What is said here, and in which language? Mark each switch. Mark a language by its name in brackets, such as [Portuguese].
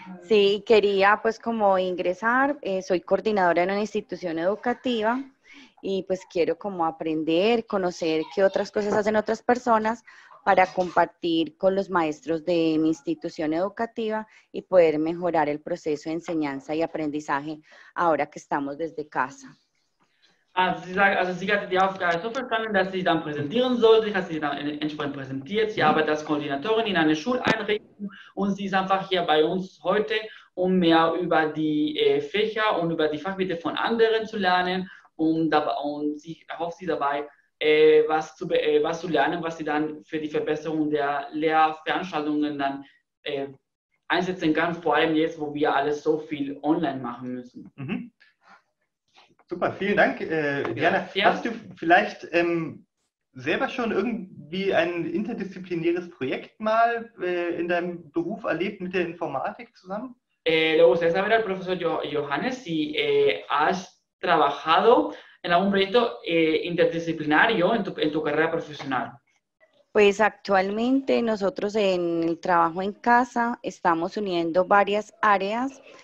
[Spanish] Sí, quería pues como ingresar. Soy coordinadora en una institución educativa y pues quiero como aprender, conocer qué otras cosas hacen otras personas para compartir con los maestros de mi institución educativa y poder mejorar el proceso de enseñanza y aprendizaje ahora que estamos desde casa. [German] Also sie hatte die Aufgabe so verstanden, dass sie dann präsentieren sollte, dass sie dann entsprechend präsentiert. Sie arbeitet als Koordinatorin in einer Schuleinrichtung und sie ist einfach hier bei uns heute, um mehr über die Fächer und über die Fachgebiete von anderen zu lernen und sie erhofft sie dabei, was zu lernen, was sie dann für die Verbesserung der Lehrveranstaltungen dann einsetzen kann, vor allem jetzt, wo wir alles so viel online machen müssen. Mhm. Super, vielen Dank, Diana. Ja. Hast du vielleicht selber schon irgendwie ein interdisziplinäres Projekt mal in deinem Beruf erlebt mit der Informatik zusammen? [Spanish] Le gustaría saber al profesor Johannes, si has trabajado en algún proyecto interdisciplinario en tu carrera profesional. Pues actualmente nosotros en el trabajo en casa estamos uniendo varias áreas.